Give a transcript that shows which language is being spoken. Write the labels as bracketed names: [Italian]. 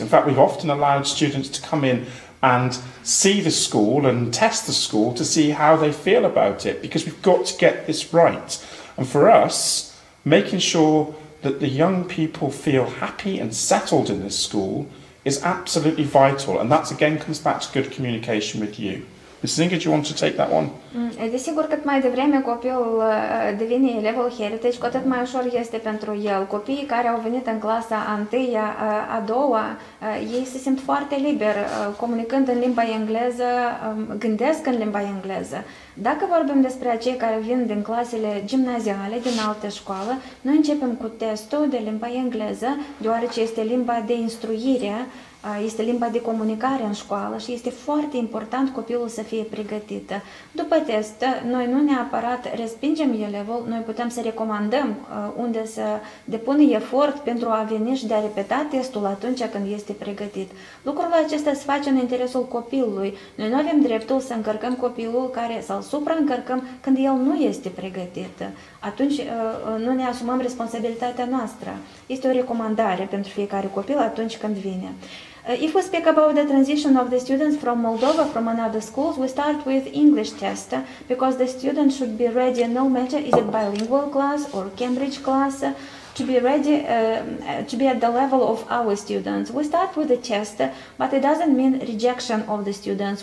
[English] In fact, we've often allowed students to come in and see the school and test the school to see how they feel about it, because we've got to get this right. And for us, making sure that the young people feel happy and settled in this school is absolutely vital. And that, again, comes back to good communication with you. Singer, do you want to take that one? [Romanian] Desigur, cât mai devreme copilul devine elevul heritage, cu atât mai ușor este pentru el. Copiii care au venit în clasa a întâia, a doua, ei se simt foarte liber comunicând în limba engleză, gândesc în limba engleză. Dacă vorbim despre cei care vin din clasele gimnaziale, din alte școală, noi începem cu testul de limba engleză, deoarece este limba de instruire, este limba de comunicare în școală și este foarte important copilul să fie pregătit. După test, noi nu neapărat respingem elevul, noi putem să recomandăm unde să depună efort pentru a veni și de a repeta testul atunci când este pregătit. Lucrul acesta se face în interesul copilului. Noi nu avem dreptul să încărcăm copilul care să-l supraîncărcăm când el nu este pregătit. Atunci nu ne asumăm responsabilitatea noastră. Este o recomandare pentru fiecare copil atunci când vine. [English] If we speak about the transition of the students from Moldova, from another schools, we start with English test, because the student should be ready, no matter is it bilingual class or Cambridge class, to be ready, to be at the level of our students. We start with the test, but it doesn't mean rejection of the students.